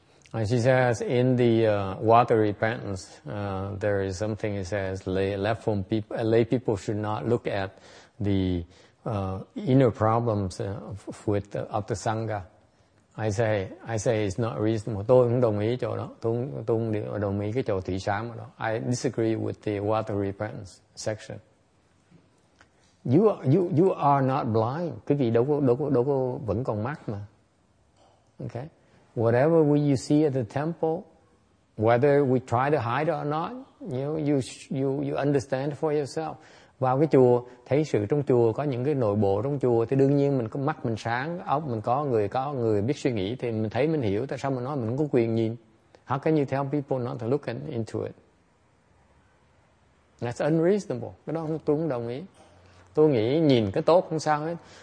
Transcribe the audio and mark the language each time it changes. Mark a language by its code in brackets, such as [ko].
[en] And she says, in the water repentance, there is something that says lay people should not look at the inner problems with of the sangha. I say it's not reasonable. [vi] Tôi không đồng ý chỗ đó. Tôi không đồng ý cái chỗ thị sám đó. [en] I disagree with the water repentance section. You are not blind. [vi] Quý vị đâu có vẫn còn mắt mà. [en] Okay. Whatever you see at the temple, whether we try to hide it or not, you understand for yourself. [vi] Vào cái chùa, thấy sự trong chùa, có những cái nội bộ trong chùa, thì đương nhiên mình có mắt mình sáng, óc mình có người biết suy nghĩ, thì mình thấy mình hiểu, tại sao mình nói mình không có quyền nhìn. [en] How can you tell people not to look into it? That's unreasonable. [vi] Cái đó tôi không đồng ý. Tôi nghĩ nhìn cái tốt không sao hết.